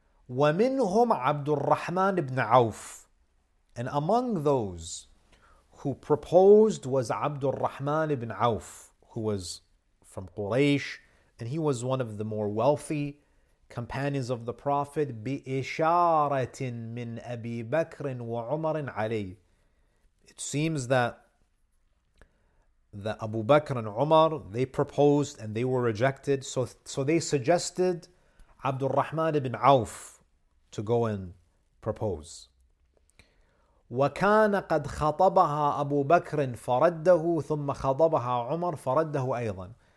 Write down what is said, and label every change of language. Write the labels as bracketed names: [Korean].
[Arabic] ومنهم عبد الرحمن بن عوف. [English] And among those who proposed was عبد الرحمن بن عوف, who was from Quraysh, and he was one of the more wealthy companions of the Prophet. [Arabic] بإشارة من أبي بكر وعمر عليه. [English] It seems that Abu Bakr and Umar, they proposed and they were rejected. So they suggested Abdul Rahman ibn Auf to go and propose. [Arabic] وَكَانَ قَدْ خَطَبَهَا أَبُو بَكْرٍ فَرَدَّهُ ثُمَّ خَطَبَهَا عُمَرٍ فَرَدَّهُ أَيْضًا.